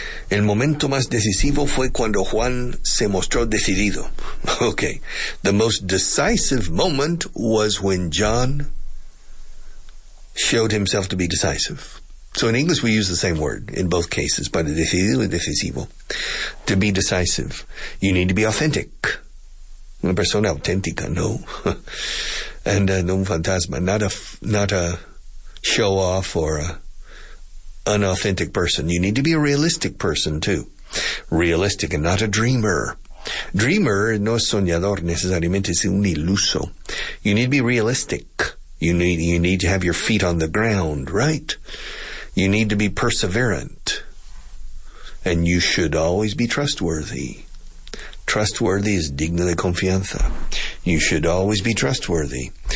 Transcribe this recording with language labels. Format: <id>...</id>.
<es>El momento más decisivo fue cuando Juan se mostró decidido.</es> <en>Okay. The most decisive moment was when John showed himself to be decisive. So in English, we use the same word in both cases, but</en> <es>decidido y decisivo.</es> <en>To be decisive, you need to be authentic.</en> <es>Una persona auténtica, no.</es> <en>And</en> <es>no un fantasma,</es> <en>not a show-off or an unauthentic person. You need to be a realistic person, too. Realistic and not a dreamer.</en> <es>Dreamer no es soñador necesariamente, es un iluso.</es> <en>You need to be realistic. You need to have your feet on the ground, right? You need to be perseverant. And you should always be trustworthy. Trustworthy is</en> <es>digno de confianza.</es> <en>You should always be trustworthy.</en>